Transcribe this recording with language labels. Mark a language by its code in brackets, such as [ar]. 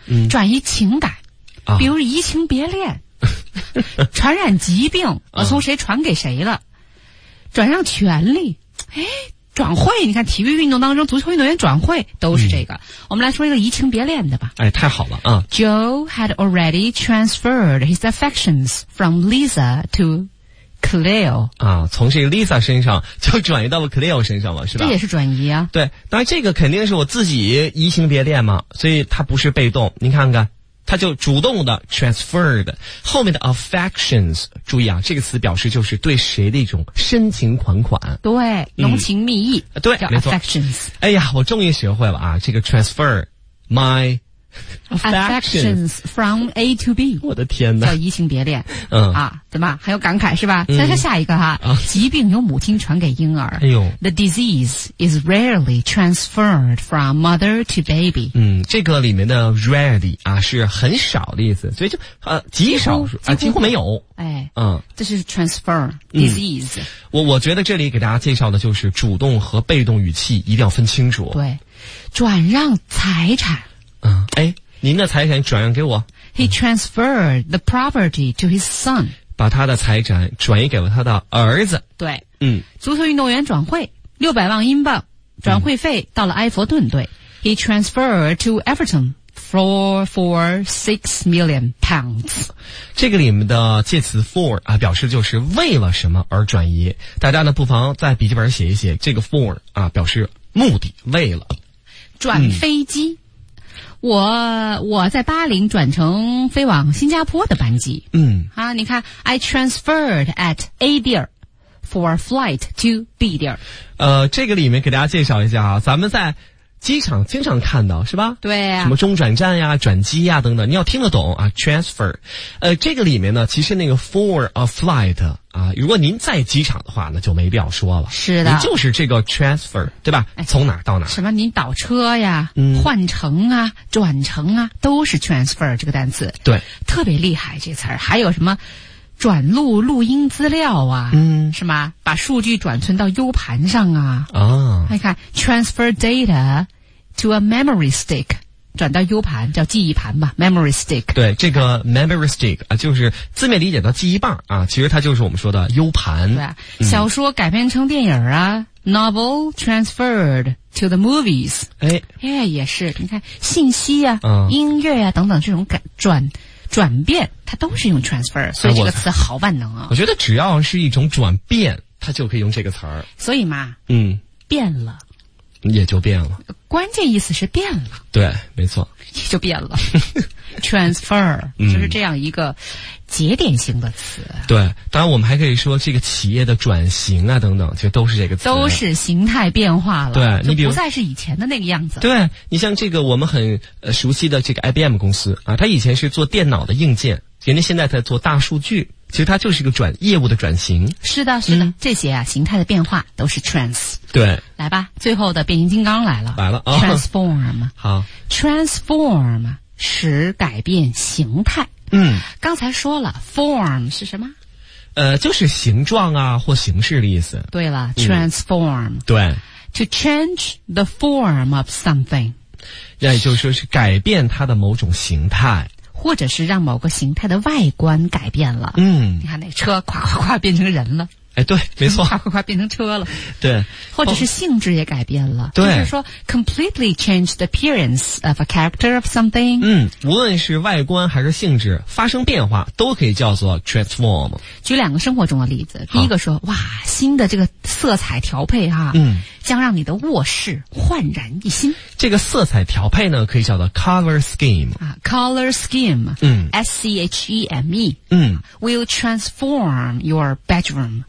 [zh] 嗯，转移情感啊，比如移情别恋，传染疾病，我从谁传给谁了，转让权力，诶，转会，你看体育运动当中足球运动员转会都是这个。我们来说一个移情别恋的吧。哎，太好了啊。 [en] Joe had already transferred his affections from Lisa to Cleo [zh] 啊，从这个 Lisa 身上就转移到了 Cleo 身上了，是吧？这也是转移啊。对，当然这个肯定是我自己移情别恋嘛，所以它不是被动。您看看，它就主动的 transferred 后面的 affections， 注意啊，这个词表示就是对谁的一种深情款款，对，浓情蜜意，嗯，对，叫 affections。哎呀，我终于学会了啊，这个 transfer my。 [en] Affections from A to B， [zh] 我的天哪，叫移情别恋。嗯啊，怎么很有感慨是吧？嗯，再说下一个哈，啊，疾病由母亲传给婴儿。哎呦 [en] ，The disease is rarely transferred from mother to baby。 [zh] 嗯，这个里面的 rarely 啊是很少的意思，所以就极少数啊，几乎没有。哎，嗯，这是 transfer disease。嗯，我觉得这里给大家介绍的就是主动和被动语气一定要分清楚。对，转让财产。嗯，哎，您的财产转让给我。 [en] He transferred the property to his son。 [zh] 把他的财产转移给了他的儿子。对，嗯，足球运动员转会600万英镑，转会费到了埃弗顿队。嗯， [en] He transferred to Everton for £6 million。 [zh] 这个里面的介词 for 啊，表示就是为了什么而转移。大家呢，不妨在笔记本写一写这个 for 啊，表示目的，为了。转飞机。嗯，我在巴林转乘飞往新加坡的班机。嗯 [en] 啊， [zh] 你看 [en] ，I transferred at A 地儿 for flight to B 地儿。 [zh] 这个里面给大家介绍一下啊，咱们在机场经常看到是吧？对啊，什么中转站呀、转机呀等等，你要听得懂啊。transfer， 这个里面呢，其实那个 for a flight 啊，如果您在机场的话，那就没必要说了。是的，您就是这个 transfer， 对吧？从哪到哪？什么？您倒车呀、换乘啊、转乘啊，都是 transfer 这个单词。对，特别厉害这词儿。还有什么？转录录音资料啊，是吗？把数据转存到 U 盘上啊。哦，你看 ， [en] transfer data to a memory stick， [zh] 转到 U 盘，叫记忆盘吧 ，memory stick。对，这个 memory stick 啊，就是字面理解的记忆棒啊，其实它就是我们说的 U 盘。对、小说改编成电影啊 ， [en] novel transferred to the movies。哎， [zh] 也是，你看信息啊、音乐啊等等这种转变它都是用 transfer， 所以这个词好万能啊、我觉得只要是一种转变它就可以用这个词儿。所以嘛，变了也就变了，关键意思是变了，对，没错，也就变了transfer 就是这样一个节点型的词。对，当然我们还可以说这个企业的转型啊等等，其实都是这个词，都是形态变化了。对，你就不再是以前的那个样子。对，你像这个我们很熟悉的这个 IBM 公司啊，它以前是做电脑的硬件，人家现在在做大数据，其实它就是一个业务的转型。是的是的、这些啊形态的变化都是 trans。对，来吧，最后的变形金刚来了，来了、 [en] transform。 [zh] 好， transform 使改变形态。刚才说了 form 是什么？就是形状啊或形式的意思。对了， transform、对， [en] to change the form of something， [zh] 那也就是说是改变它的某种形态，或者是让某个形态的外观改变了。你看那车夸夸夸变成人了。哎，对，没错，夸夸夸变成车了。对，或者是性质也改变了。对，就是说 [en] completely change the appearance of a character of something。 [zh] 无论是外观还是性质发生变化都可以叫做 transform。举两个生活中的例子。第一个说，哇，新的这个色彩调配哈、将让你的卧室焕然一新。这个色彩调配呢可以叫做 color scheme。 [en] color scheme， S-C-H-E-M-E， will transform your bedroom。